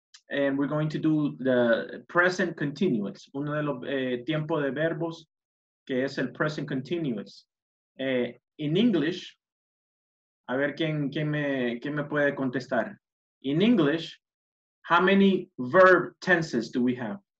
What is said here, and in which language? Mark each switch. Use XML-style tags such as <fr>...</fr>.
<en>And we're going to do the present continuous.</en> <es>Uno de los tiempo de verbos, que es el present continuous.</es> <en>In English,</en> <es>a ver quién me puede contestar.</es> <en>In English, how many verb tenses do we have?</en>